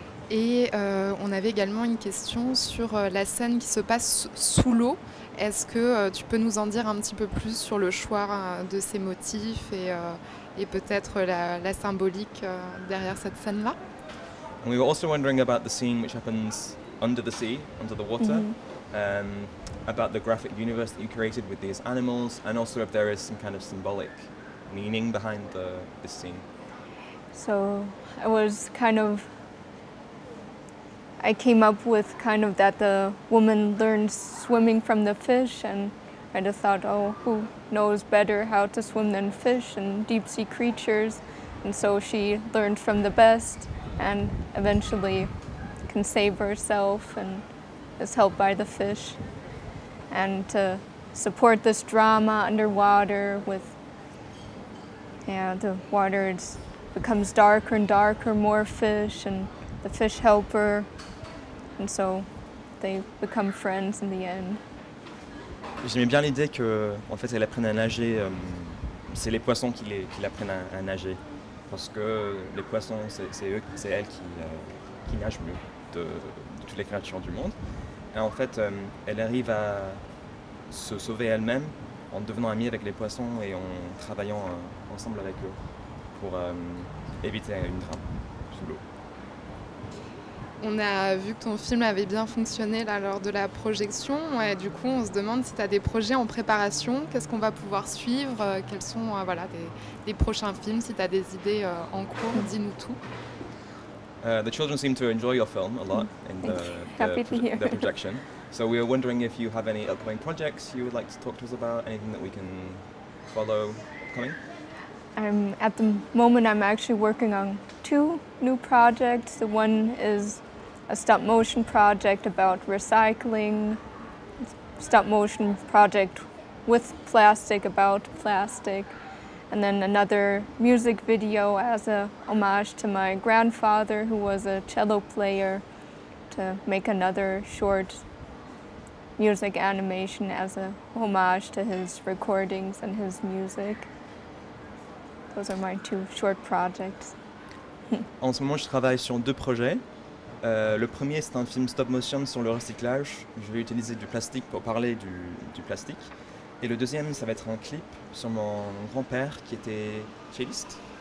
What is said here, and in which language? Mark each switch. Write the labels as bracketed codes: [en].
[fr] Et on avait également une question sur la scène qui se passe sous l'eau. Est-ce que tu peux nous en dire un petit peu plus sur le choix de ces motifs et peut-être la symbolique derrière cette scène-là? [en] We were also wondering about the scene which happens under the sea, under the water. About the graphic universe that you created with these animals, and also if there is some kind of symbolic meaning behind this scene. So I was kind of I came up with kind of that the woman learns swimming from the fish, and I just thought, oh, who knows better how to swim than fish and deep sea creatures? And so she learned from the best and eventually can save herself and is helped by the fish. And to support this drama underwater with Yeah, the water becomes darker and darker, more fish, and the fish helper, and so they become friends in the end. [fr] J'aimais bien l'idée que, en fait, elle apprenne à nager. C'est les poissons qui l'apprennent à nager, parce que les poissons, c'est eux, c'est elles qui nagent mieux de toutes les créatures du monde. Et en fait, elle arrive à se sauver elle-même en devenant amie avec les poissons et en travaillant ensemble avec eux pour éviter une drame sous l'eau. On a vu que ton film avait bien fonctionné là, lors de la projection. Et du coup, on se demande si tu as des projets en préparation. Qu'est-ce qu'on va pouvoir suivre? Quels sont voilà, des prochains films? Si tu as des idées en cours, dis-nous tout. [en] The children seem to enjoy your film a lot in the projection. So we are wondering if you have any upcoming projects you would like to talk to us about, anything that we can follow upcoming? At the moment, I'm actually working on two new projects. The one is a stop motion project about recycling, stop motion project with plastic, about plastic. And then another music video as a homage to my grandfather, who was a cello player, to make another short music animation as a homage to his recordings and his music. Those are my two short projects. [fr] En ce moment, je travaille sur deux projets. Le premier, c'est un film stop motion sur le recyclage. Je vais utiliser du plastique pour parler du plastique. Et le deuxième, ça va être un clip sur mon grand-père qui était celliste.